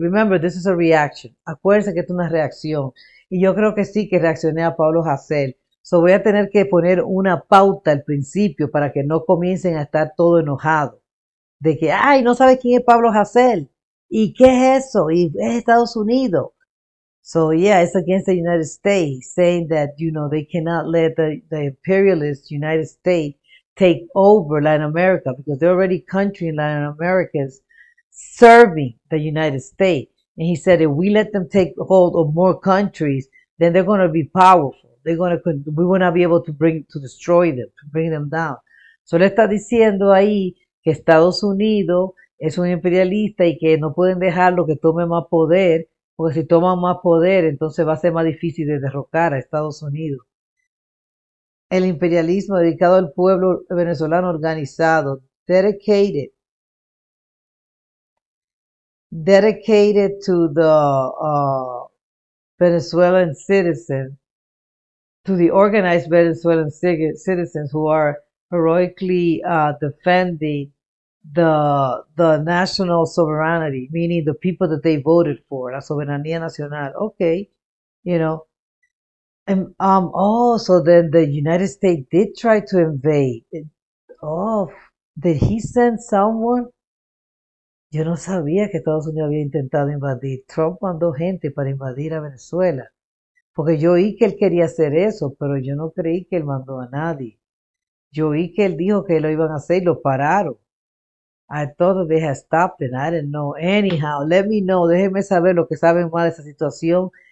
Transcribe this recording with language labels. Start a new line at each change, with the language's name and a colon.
English: Remember, this is a reaction.
Spanish: Acuérdense que es una reacción. Y yo creo que sí que reaccioné a Pablo Hasél. So voy a tener que poner una pauta al principio para que no comiencen a estar todo enojado. De que, ay, no sabes quién es Pablo Hasél. ¿Y qué es eso? Y es Estados Unidos.
English: So yeah, it's against the United States saying that, you know, they cannot let the imperialist United States take over Latin America because they're already country in Latin America serving the United States. And he said, if we let them take hold of more countries, then they're going to be powerful. We will not be able to destroy them, to bring them down.
Spanish: So le está diciendo ahí que Estados Unidos es un imperialista y que no pueden dejarlo que tome más poder, porque si toma más poder, entonces va a ser más difícil de derrocar a Estados Unidos. El imperialismo dedicado al pueblo venezolano organizado,
English: dedicated to the Venezuelan citizen, to the organized Venezuelan citizens who are heroically defending the national sovereignty, meaning the people that they voted for,
Spanish: la soberanía nacional.
English: Okay, you know. Oh, so then the United States did try to invade. Oh, did he send someone?
Spanish: Yo no sabía que Estados Unidos había intentado invadir. Trump mandó gente para invadir a Venezuela. Porque yo oí que él quería hacer eso, pero yo no creí que él mandó a nadie. Yo oí que él dijo que lo iban a hacer y lo pararon.
English: I thought they had stopped it. I didn't know. Anyhow, let me know.
Spanish: Déjenme saber lo que saben más de esa situación.